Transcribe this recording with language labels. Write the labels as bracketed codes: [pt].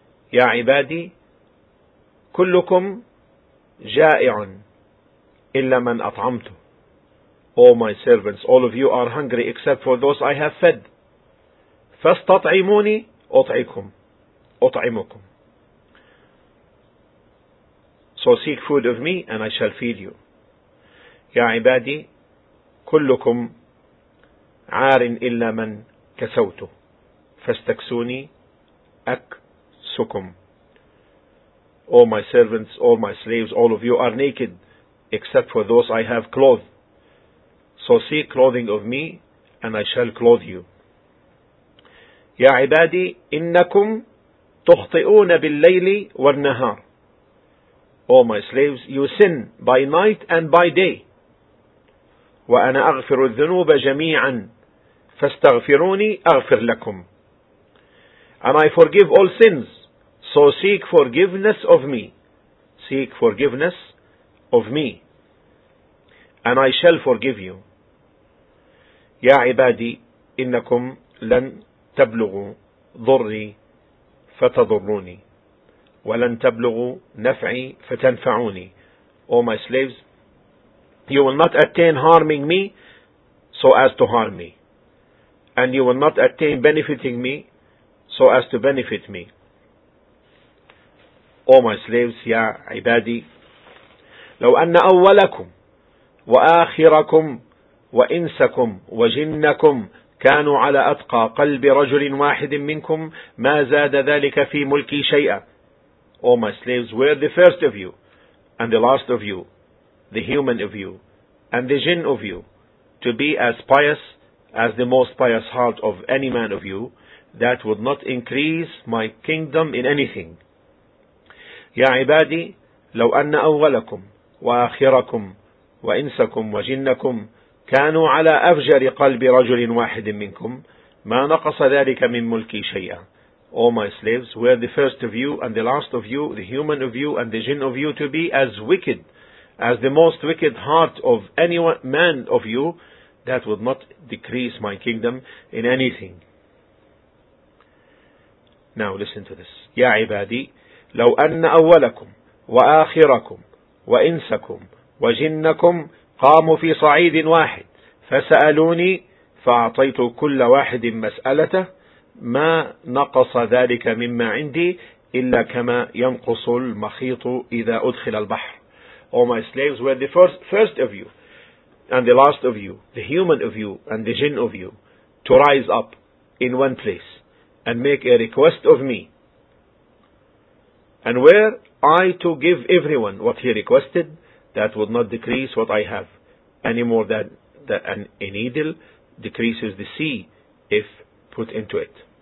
[ar] Ya ibadi, kullukum ja'i'un illa man at'amtu. [en] O my servants, all of you are hungry except for those I have fed. [ar] Fastat'imuni ut'ikum. Ut'imukum. [en] So seek food of me and I shall feed you. [ar] Ya ibadi, كلكم عار إلا من كسوته فاستكسوني أكسكم. [en] All my servants, all my slaves, all of you are naked except for those I have clothed. So seek clothing of me and I shall clothe you. [ar] يا عبادي إنكم تخطئون بالليل والنهار. [en] All my slaves, you sin by night and by day. [ar] وأنا أغفر الذنوب جميعا فاستغفروني أغفر لكم. [en] And I forgive all sins, so seek forgiveness of me. Seek forgiveness of me. And I shall forgive you. [ar] يا عبادي إنكم لن تبلغوا ضري فتضروني ولن تبلغوا نفعي فتنفعوني. [en] O my slaves, you will not attain harming me so as to harm me. And you will not attain benefiting me so as to benefit me. O my slaves, [ar] ya ibadi, لو أن أولكم وآخركم وإنسكم وجنكم كانوا على أتقى قلب رجل واحد منكم ما زاد ذلك في ملكي شيئا. [en] O my slaves, were the first of you and the last of you, the human of you, and the jinn of you to be as pious as the most pious heart of any man of you, that would not increase my kingdom in anything. [ar] يا عبادي لو أن أولكم وآخركم وإنسكم وجنكم كانوا على أفجر قلب رجل واحد منكم ما نقص ذلك من ملكي شيئا. [en] O my slaves, were the first of you and the last of you, the human of you and the jinn of you to be as wicked as the most wicked heart of any man of you, that would not decrease my kingdom in anything. Now listen to this. [ar] يا عبادي لو أن أولكم وآخركم وإنسكم وجنكم قاموا في صعيد واحد فسألوني فأعطيت كل واحد مسألته ما نقص ذلك مما عندي إلا كما ينقص المخيط إذا أدخل البحر. [en] O my slaves, were the first of you and the last of you, the human of you and the jinn of you, to rise up in one place and make a request of me. And were I to give everyone what he requested, that would not decrease what I have any more than a needle decreases the sea if put into it.